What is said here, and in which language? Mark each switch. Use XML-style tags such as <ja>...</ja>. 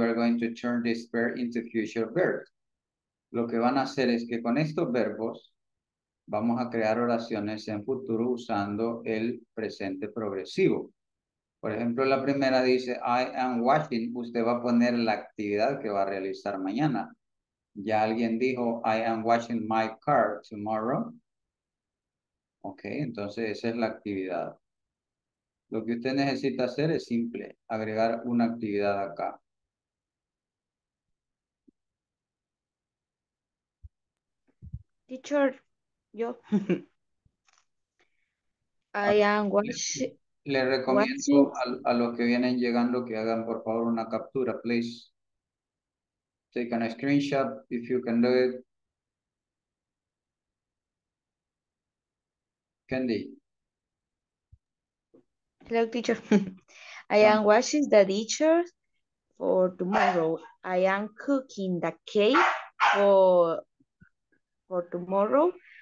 <en>You are going to turn this verb into future verb.</en> <es>Lo que van a hacer es que con estos verbos vamos a crear oraciones en futuro usando el presente progresivo. Por ejemplo, la primera dice,</es> <en>I am watching.</en> <es>Usted va a poner la actividad que va a realizar mañana. Ya alguien dijo,</es> <en>I am watching my car tomorrow.</en> <es>Ok, entonces esa es la actividad. Lo que usted necesita hacer es simple, agregar una actividad acá. Teacher. Yo.</es> <en>I am watching.</en> <es>Le recomiendo watching. A los que vienen llegando que hagan por favor una captura,</es> <en>please. Take a screenshot if you can do it. Candy. Hello, teacher. I am watching the dishes for tomorrow. I am cooking the cake for tomorrow.</en>